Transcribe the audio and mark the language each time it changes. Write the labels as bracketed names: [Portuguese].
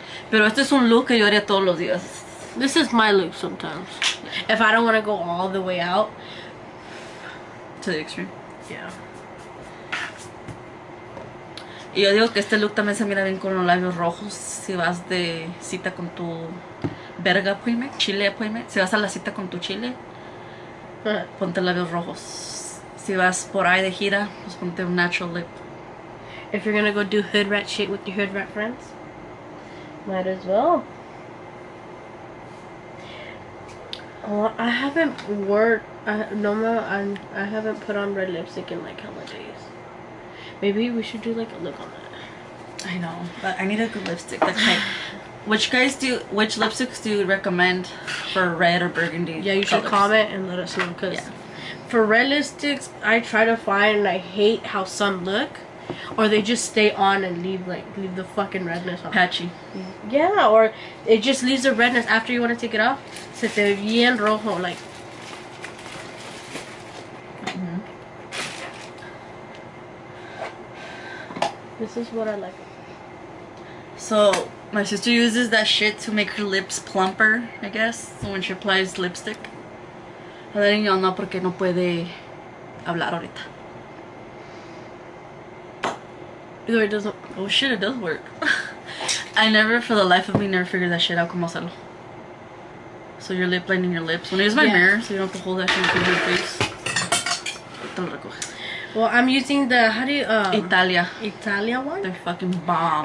[Spanish] Pero este es un look que yo haría todos los días. [English] This is my look sometimes. If I don't want to go all the way out. To the extreme. Yeah. [Spanish] Y yo digo que este look también se mira bien con los labios rojos. Si vas de cita con tu verga appointment, chile appointment, si vas a la cita con tu chile, ponte labios rojos. Si vas por ahí de gira, pues ponte un natural lip. [English] If you're gonna go do hood rat shit with your hood rat friends, might as well. Oh, I haven't I haven't put on red lipstick in like hella days. Maybe we should do like a look on that. I know, but I need a good lipstick. That's like, which lipsticks do you recommend for red or burgundy? Yeah, you colors? Should comment and let us know. Cause yeah. For red lipsticks, I try to find, and I hate how some look, or they just stay on and leave the fucking redness on. Patchy. Yeah, or it just leaves the redness after you want to take it off. [Spanish] Se te bien rojo, like. [English] This is what I like. So, my sister uses that shit to make her lips plumper, I guess, when she applies lipstick. [Spanish] A ver, niño, no, porque no puede hablar ahorita. [English] Either it doesn't... Oh, shit, it does work. I never, for the life of me, never figured that shit out. [Spanish] Como hacerlo. [English] So, your lip lining your lips. When I use my mirror, so you don't have to hold that shit in your face. [Spanish] Te lo recoges. [English] Well, I'm using the, how do you, Italia. Italia one? They're fucking bomb.